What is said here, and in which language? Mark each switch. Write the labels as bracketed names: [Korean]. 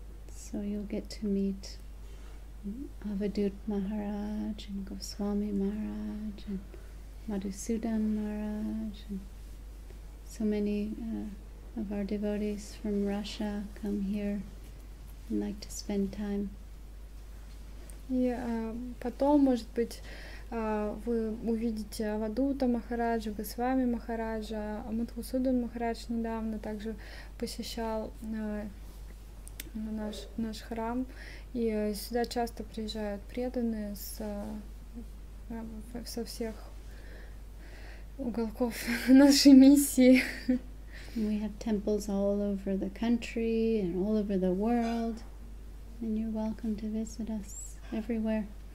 [English] So you'll get to meet Avadhut Maharaj and Goswami Maharaj and Madhusudan Maharaj, and so many of our devotees from Russia come here and like to spend time. [Russian] И потом, может быть, вы увидите Авадута Махараджа, Госвами Махараджа, Мадхусудан Махарадж недавно также посещал наш храм, и сюда часто приезжают преданные со всех уголков нашей миссии. [English] We have temples all over the country and all over the world, and you're welcome to visit us everywhere.